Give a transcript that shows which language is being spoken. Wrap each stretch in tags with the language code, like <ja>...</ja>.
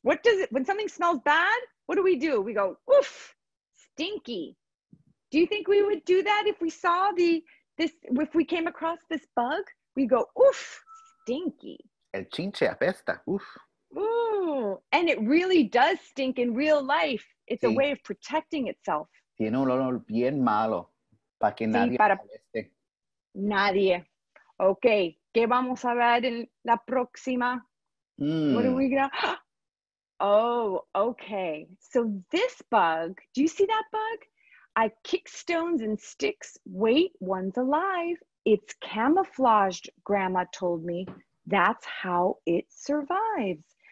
<en>What does it, when something smells bad, what do? We go, oof, stinky. Do you think we would do that if we saw if we came across this bug? We go, oof, stinky.</en> <es>El chinche apesta, oof.</es> <en>Ooh, and it really does stink in real life. It's a way of protecting itself.</en> <es>Tiene un olor bien malo para que nadie. Okay, ¿qué vamos a ver en la próxima?</es> <en>What are we gonna? Oh, okay. So this bug, do you see that bug? I kick stones and sticks. Wait, one's alive. It's camouflaged, Grandma told me. That's how it survives.</en>